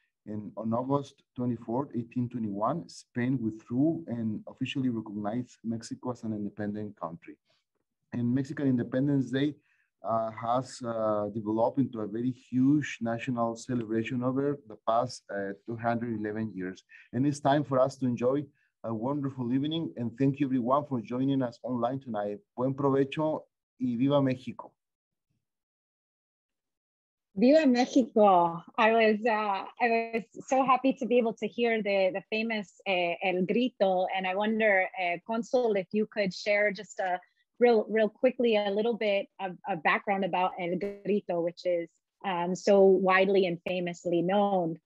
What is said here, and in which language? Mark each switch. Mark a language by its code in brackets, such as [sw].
[en] And on August 24th, 1821, Spain withdrew and officially recognized Mexico as an independent country. And Mexican Independence Day has developed into a very huge national celebration over the past 211 years. And it's time for us to enjoy a wonderful evening. And thank you everyone for joining us online tonight. [es] Buen provecho y viva México. Viva México. [en] I was so happy to be able to hear the famous El Grito. And I wonder, Consul, if you could share just a real quickly a little bit of background about El Grito, which is so widely and famously known.